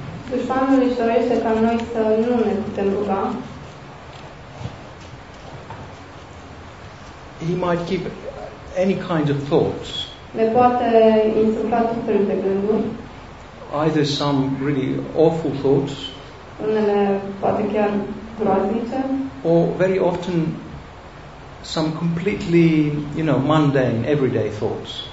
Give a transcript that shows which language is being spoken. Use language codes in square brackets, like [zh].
[ro] Dușmanul își dorește ca noi să nu ne putem ruga. [en] He might keep any kind of thoughts. [ro] Ne poate insufla tot felul de gânduri. [en] Either some really awful thoughts. [ro] Unele poate chiar groaznice. [en] Or very often some completely, you know, mundane, everyday thoughts.